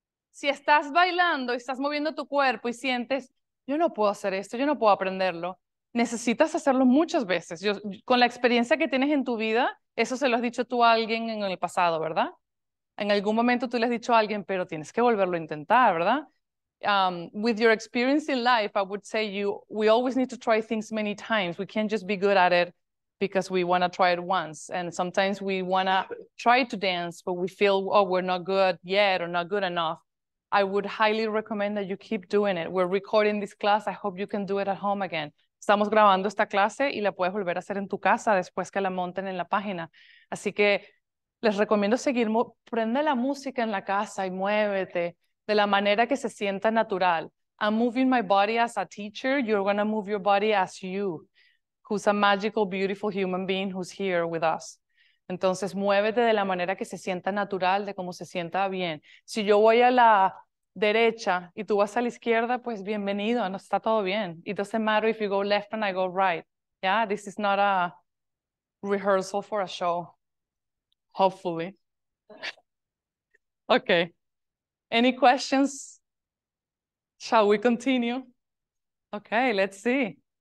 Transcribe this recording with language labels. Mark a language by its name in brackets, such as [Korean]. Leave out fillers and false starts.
[Spanish] Si estás bailando y estás moviendo tu cuerpo y sientes, yo no puedo hacer esto, yo no puedo aprenderlo, necesitas hacerlo muchas veces. Yo, con la experiencia que tienes en tu vida, eso se lo has dicho tú a alguien en el pasado, ¿verdad? En algún momento tú le has dicho a alguien, pero tienes que volverlo a intentar, ¿verdad? [English] With your experience in life, I would say we always need to try things many times. We can't just be good at it because we want to try it once. And sometimes we want to try to dance, but we feel, oh, we're not good yet or not good enough. I would highly recommend that you keep doing it. We're recording this class. I hope you can do it at home again. [Spanish] Estamos grabando esta clase y la puedes volver a hacer en tu casa después que la monten en la página. Así que les recomiendo seguir, prende la música en la casa y muévete de la manera que se sienta natural. [English] I'm moving my body as a teacher. You're going to move your body as you, who's a magical, beautiful human being who's here with us. [Spanish] Entonces, muévete de la manera que se sienta natural, de cómo se sienta bien. Si yo voy a la derecha y tú vas a la izquierda, pues bienvenido, no está todo bien. [English] It doesn't matter if you go left and I go right. Yeah, this is not a rehearsal for a show. Hopefully. Okay. Any questions? Shall we continue? Okay, let's see.